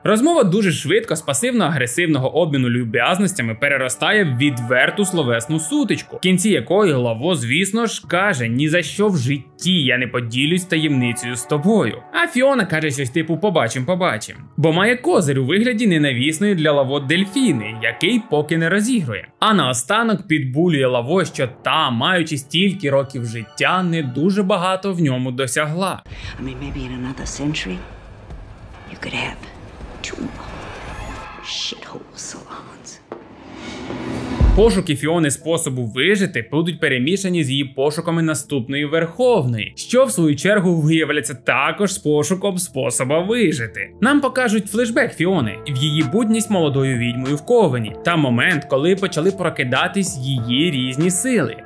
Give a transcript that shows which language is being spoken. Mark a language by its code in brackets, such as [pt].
[uk] Розмова дуже швидко з пасивно-агресивного обміну люб'язностями переростає в відверту словесну сутичку, в кінці якої Лаво, звісно ж, каже: «Ні за що в житті я не поділюсь таємницею з тобою». А Фіона каже щось типу: «Побачим-побачим». Бо має козир у вигляді ненавісної для Лаво дельфіни, який поки не розігрує. А наостанок підбулює Лаво, що та, маючи стільки років життя, не дуже багато в ньому досягла. [en] I mean, maybe in another century you could have two shithole salons. [uk] Пошуки Фіони способу вижити будуть перемішані з її пошуками наступної Верховної, що в свою чергу виявляться також з пошуком способу вижити. Нам покажуть флешбек Фіони в її будність молодою відьмою в Ковені та момент, коли почали прокидатись її різні сили.